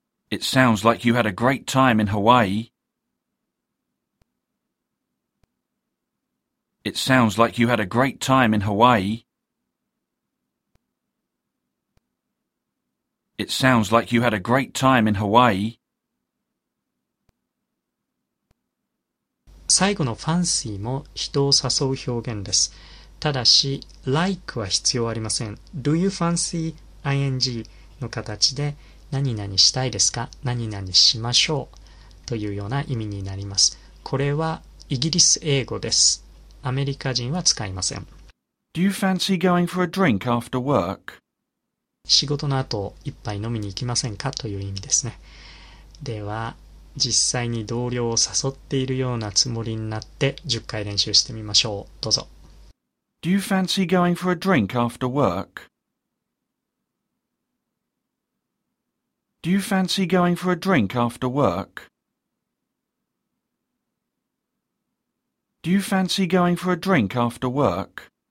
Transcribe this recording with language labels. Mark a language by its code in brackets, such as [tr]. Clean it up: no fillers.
[en] It sounds like you had a great time in Hawaii. It sounds like you had a great time in Hawaii. It sounds like you had a great time in Hawaii. [ja] 最後のファンシーも人を誘う表現です。ただし、like は必要ありません。 [en] Do you fancy ing [ja] の形で何々したいですか？何々しましょう？というような意味になります。これはイギリス英語です。アメリカ人は使いません。 [en] Do you fancy going for a drink after work? [ja] 仕事の後、一杯飲みに行きませんか？という意味ですね。では、実際に同僚を誘っているようなつもりになって10回練習してみましょう。どうぞ。 [en] Do you fancy going for a drink after work? Do you fancy going for a drink after work? Do you fancy going for a drink after work?